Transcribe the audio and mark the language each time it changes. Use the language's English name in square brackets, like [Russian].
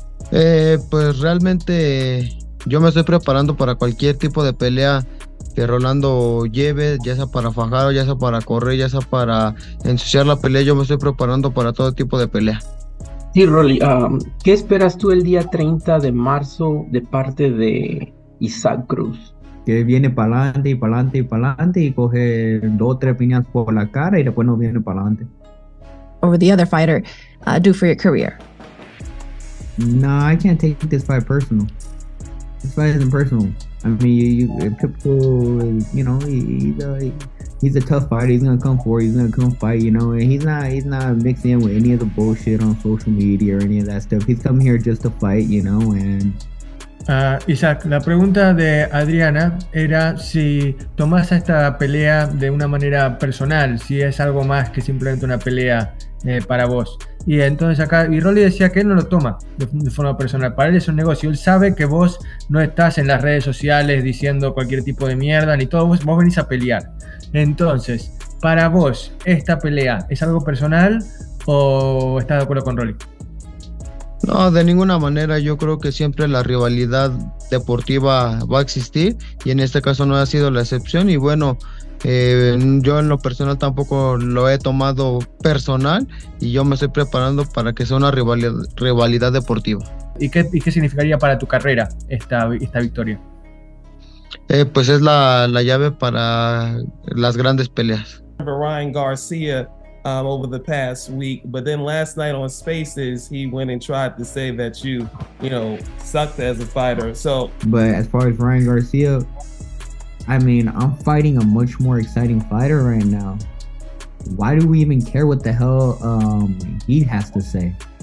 [Spanish] Pues realmente yo me estoy preparando para cualquier tipo de pelea que Rolando lleve, ya sea para fajar, ya sea para correr, ya sea para ensuciar la pelea, yo me estoy preparando para todo tipo de pelea. Sí, Rolly, ¿qué esperas tú el día 30 de marzo de parte de Isaac Cruz? Que viene para adelante y para adelante y para adelante y coge dos o tres piñas por la cara y después no viene para adelante. [English] Over the other fighter, do for your career. No, I can't take this fight personal. This fight isn't personal. I mean, he's a tough fighter. He's gonna come forward. He's gonna come fight. You know, and he's not mixing in with any of the bullshit on social media or any of that stuff. He's coming here just to fight. You know, and [Spanish] Isaac, la pregunta de Adriana era si tomas esta pelea de una manera personal, si es algo más que simplemente una pelea para vos. Y entonces acá, y Rolly decía que él no lo toma de forma personal, para él es un negocio. Él sabe que vos no estás en las redes sociales diciendo cualquier tipo de mierda ni todo, vos venís a pelear. Entonces, para vos, ¿esta pelea es algo personal o estás de acuerdo con Rolly? No, de ninguna manera. Yo creo que siempre la rivalidad deportiva va a existir y en este caso no ha sido la excepción. Y bueno, yo en lo personal tampoco lo he tomado personal y yo me estoy preparando para que sea una rivalidad deportiva. ¿Y qué significaría para tu carrera esta victoria? Pues es la llave para las grandes peleas. Ryan García. [English] Over the past week, but then last night on Spaces, he went and tried to say that you sucked as a fighter. So, but as far as Ryan Garcia, I mean, I'm fighting a much more exciting fighter right now. Why do we even care what the hell he has to say?